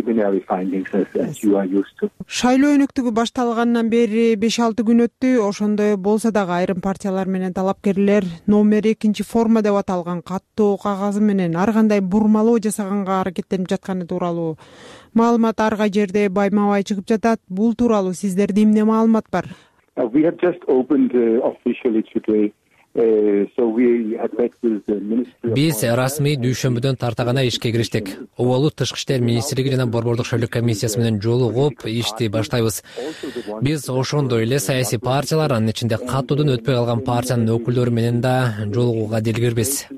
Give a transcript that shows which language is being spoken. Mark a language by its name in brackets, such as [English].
[Kyrgyz] Шайлоо өнөктүгү башталгандан бери 5-6 күн өттү. Ошондой болсо дагы айрым партиялар менен талапкерлер номер 2 форма деп аталган каттоо кагазы менен ар кандай бурмалоо жасаганга аракеттенип жатканы тууралуу маалымат ар кай жерде байма-бай чыгып жатат. Бул тууралуу сиздерде эмне маалымат бар? [English] We have just opened officially today. [Kyrgyz] Биз расмий дүйшөмбүдөн тарта гана ишке кириштик. Оболу тышкы иштер министрлиги жана борбордук шайлоо комиссиясы менен жолугуп ишти баштайбыз. Биз ошондой эле саясий партиялар, анын ичинде каттоодон өтпөй калган партиянын өкүлдөрү менен да жолугууга делгирбиз.